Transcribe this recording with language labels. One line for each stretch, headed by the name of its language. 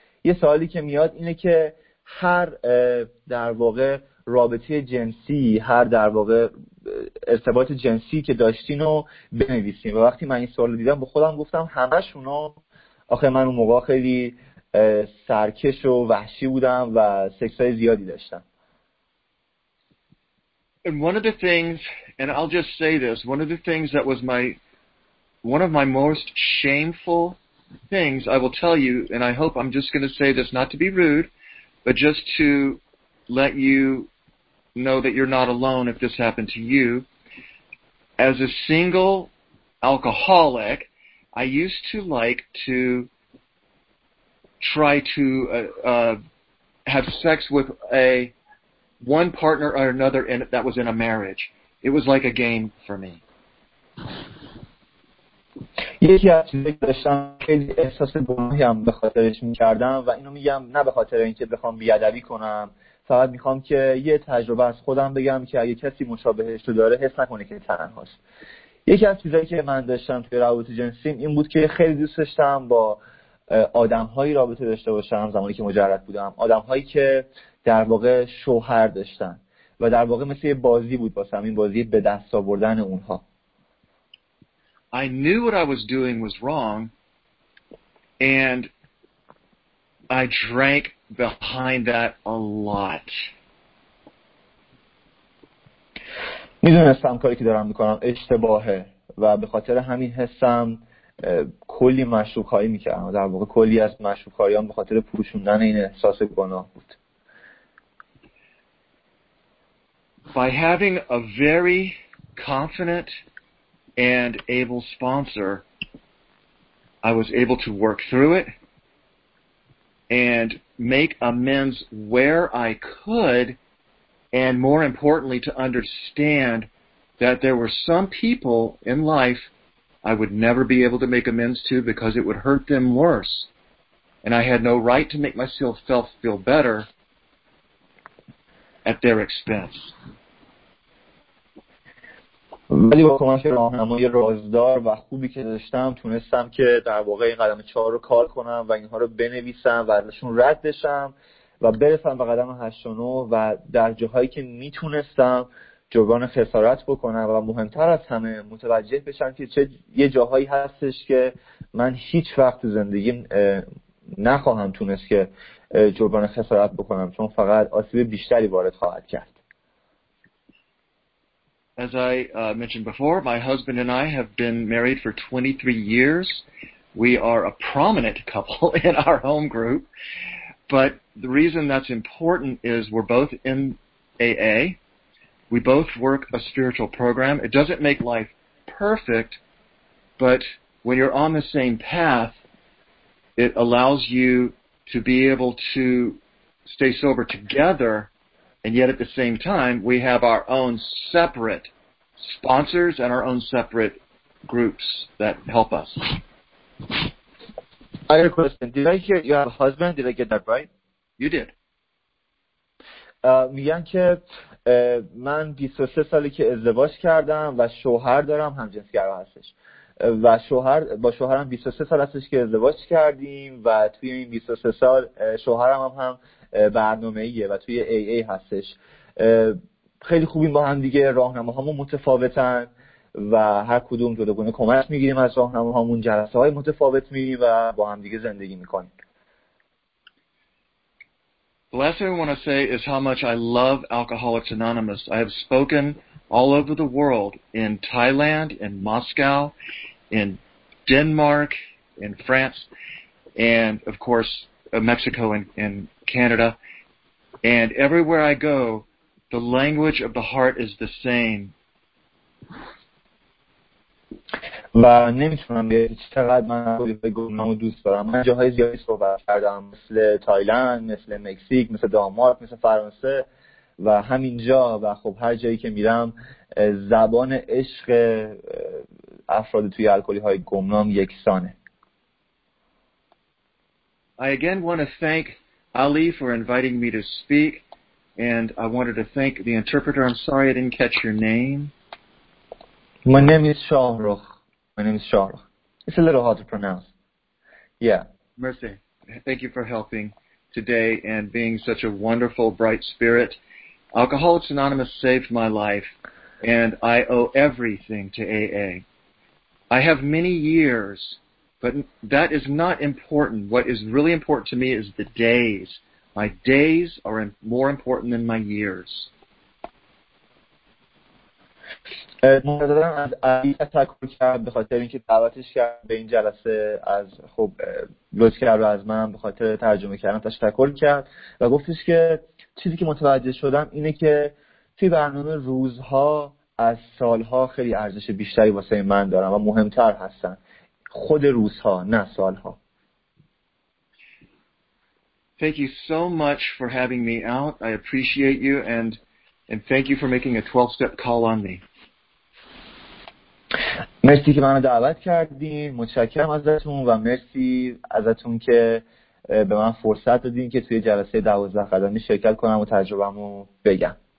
Persian: یه سوالی که میاد اینه که هر در واقع رابطه جنسی، هر در واقع ارتباط جنسی که داشتین رو بنویسین. و وقتی من این سوال رو دیدم به خودم گفتم همه شونا، آخه من اون موقع خیلی سرکش و وحشی بودم و سکس های زیادی داشتم.
English: And one of the things, and I'll just say this, one of the things that was one of my most shameful things, I will tell you, and I hope I'm just going to say this not to be rude, but just to let you know that you're not alone if this happened to you. As a single alcoholic, I used to like to try to have sex with a one partner or another and that was in a marriage. It was like a game for me.
Persian: یکی از چیزی که داشتم خیلی احساس گناهی هم به خاطرش می‌کردم و اینو میگم نه به خاطر اینکه بخوام بی‌ادبی کنم، فقط میخوام که یه تجربه از خودم بگم که اگه کسی مشابهش رو داره حس نکنه که تنهاست. یکی از چیزایی که من داشتم توی روابط جنسی این بود که خیلی دوست داشتم با آدم‌های رابطه داشته باشم زمانی که مجرد بودم، آدم‌هایی که در واقع شوهر داشتن و در واقع مثل یه بازی بود واسم، این بازی به دست آوردن اونها.
English: I knew what I was doing was wrong and I drank behind that a lot.
Persian: میدونستم کاری که دارم میکنم اشتباهه و به خاطر همین حسم کلی مشروب‌خواری میکردم و در واقع کلی از مشروب‌خواریام به خاطر پوشوندن این احساس گناه بود.
English: By having a very confident and able sponsor, I was able to work through it and make amends where I could, and more importantly, to understand that there were some people in life I would never be able to make amends to because it would hurt them worse, and I had no right to make myself feel better at their expense.
Persian: ولی با کمک راهنمای رازدار و خوبی که داشتم تونستم که در واقع این قدم چهار رو کار کنم و اینها رو بنویسم و ازشون رد بشم و برسم به قدم 89 و در جاهایی که میتونستم جبران خسارت بکنم و مهمتر از همه متوجه بشم که چه یه جاهایی هستش که من هیچ وقت زندگیم نخواهم تونست که جبران خسارت بکنم، چون فقط آسیب بیشتری وارد خواهد کرد.
English: As I mentioned before, my husband and I have been married for 23 years. We are a prominent couple in our home group. But the reason that's important is we're both in AA. We both work a spiritual program. It doesn't make life perfect, but when you're on the same path, it allows you to be able to stay sober together. And yet at the same time, we have our own separate sponsors and our own separate groups that help us. I have a question. Did I hear you have a husband? Did I get that right? You did.
Persian: میگن که من 23 سالی که ازدواج کردم و شوهر دارم همجنسگرا هستش و شوهر با شوهرم 23 سال هستش که ازدواج کردیم و توی این 23 سال شوهرم هم برنامه‌ایه و توی ای ای هستش. خیلی خوبیم با هم دیگه، راهنماهامون متفاوتن و هر کدوم جداگونه کمک میگیریم از راهنماهامون، جلسه های متفاوت میریم و با هم دیگه زندگی میکنیم.
English: The last thing I want to say is how much I love Alcoholics Anonymous. I have spoken all over the world, in Thailand, in Moscow, in Denmark, in France, and of course Mexico and Canada. And everywhere I go, the language of the heart is the same.
Persian: و نمیتونم چقدر من گرونامو دوست دارم. من جاهای زیادی صحبت کردم، مثل تایلند، مثل مکزیک، مثل دانمارک، مثل فرانسه و همینجا. و خب هر جایی که میرم زبان عشق افراد توی الکلی های گمنام یکسانه.
English: I again want to thank Ali for inviting me to speak, and I wanted to thank the interpreter. I'm sorry I didn't catch your name. My name is Shahrukh. My name is Shahrukh. It's a little hard to pronounce. Yeah.
French: Merci.
English: Thank you for helping today and being such a wonderful, bright spirit. Alcoholics Anonymous saved my life, and I owe everything to AA. I have many years, but that is not important. What is really important to me is the days. My days are more important than my years.
Persian: مردم از علی تشکر کرد به خاطر اینکه دعوتش کرد به این جلسه، از خب لطف کرد رو از من به خاطر ترجمه کردن تشکر کرد و گفتش که چیزی که متوجه شدم اینه که توی برنامه روزها از سالها خیلی ارزش بیشتری واسه من دارن و مهمتر هستن، خود روزها نه سالها.
English: Thank you so much for having me out. I appreciate you and thank you for making a 12 step call on me.
Persian: مرسی که منو دعوت کردین، متشکرم ازتون و مرسی ازتون که به من فرصت دادین که توی جلسه 12 قدمی شرکت کنم و تجربه‌مو بگم.